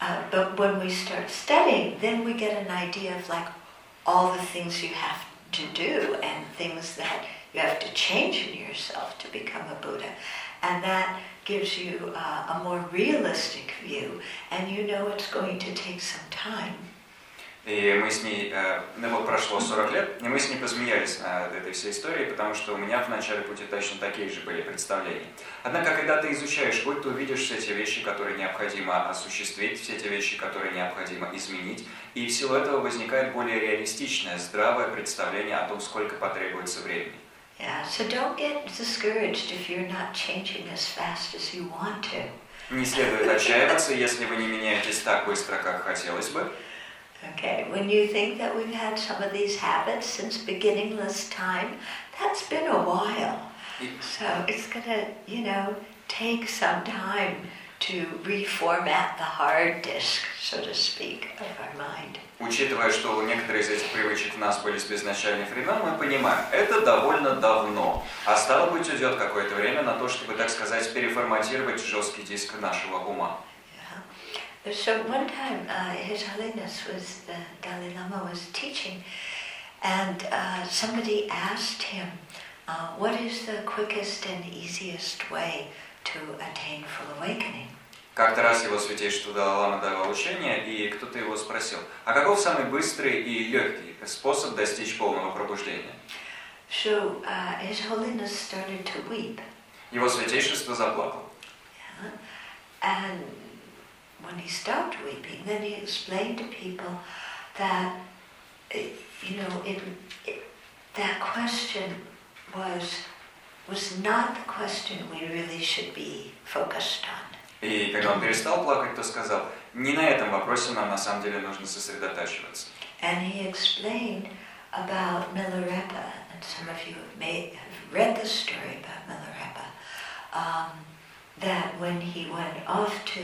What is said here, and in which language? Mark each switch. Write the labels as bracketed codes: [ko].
[en] But when we start studying, then we get an idea of like all the things you have to do and things that you have to change in yourself to become a Buddha. And that gives you a more realistic view, and you know it's going to take some time. [ru] И мы с ней, вот прошло 40 лет, и мы с ней посмеялись над этой всей историей, потому что у меня в начале пути точно такие же были представления. Однако, когда ты изучаешь путь, ты увидишь все те вещи, которые необходимо осуществить, все те вещи, которые необходимо изменить, и в силу этого возникает более реалистичное, здравое представление о том, сколько потребуется времени. [en] Yeah, so don't get discouraged if you're not changing as fast as you want to. [ru] Не следует отчаиваться, если вы не меняетесь так быстро, как хотелось бы. [en] Okay, when you think that we've had some of these habits since beginningless time, that's been a while. So it's gonna, you know, take some time to reformat the hard disk, so to speak, of our mind. [ru] Учитывая, что некоторые из этих привычек у нас были с безначальных времен, мы понимаем, это довольно давно. А стало быть, уйдет какое-то время на то, чтобы, так сказать, переформатировать жесткий диск нашего ума. [en] So one time, His Holiness was, the Dalai Lama was teaching, and somebody asked him, what is the quickest and easiest way to attain full awakening? [ru] Как-то раз его святейшество Далай Лама давал учение, и кто-то его спросил, а каков самый быстрый и легкий способ достичь полного пробуждения? [en] So His Holiness started to weep. [ru] Его святейшество заплакал. Yeah. [en] And when he stopped weeping, then he explained to people that, you know, that question was not the question we really should be focused on. [ru] И когда он перестал плакать, то сказал, не на этом вопросе нам на самом деле нужно сосредотачиваться. [en] And he explained about Milarepa, and some of you have read the story about Milarepa, that when he went off